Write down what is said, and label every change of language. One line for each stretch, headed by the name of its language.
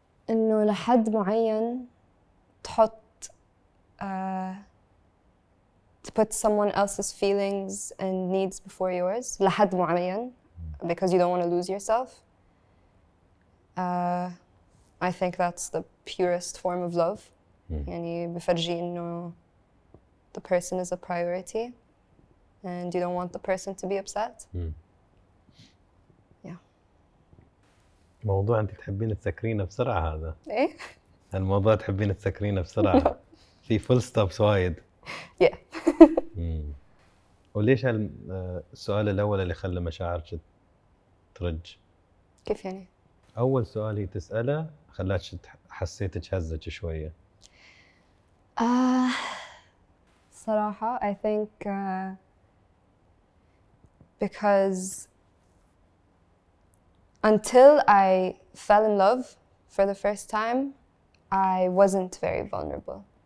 Arabic: انه لحد معين تحط
English: to put someone else's feelings and needs before yours
Arabic: لحد معين
English: because you don't want to lose yourself I think that's the purest form of love.
Arabic: يعني بفرجي إنه
English: the person is a priority and you don't want the person to be upset. Yeah.
Arabic: موضوع انت تحبين تسكرينه بسرعة هذا. ايه؟ الموضوع تحبين تسكرينه بسرعة. في full stops وايد.
English: Yeah.
Arabic: وليش السؤال الأول اللي خلى مشاعرك ترج؟ كيف يعني؟ أول سؤال هي تسأله خلاتش حسيتك هزتك شوية.
English: صراحة I think because until I fell in love for the first time I wasn't very vulnerable.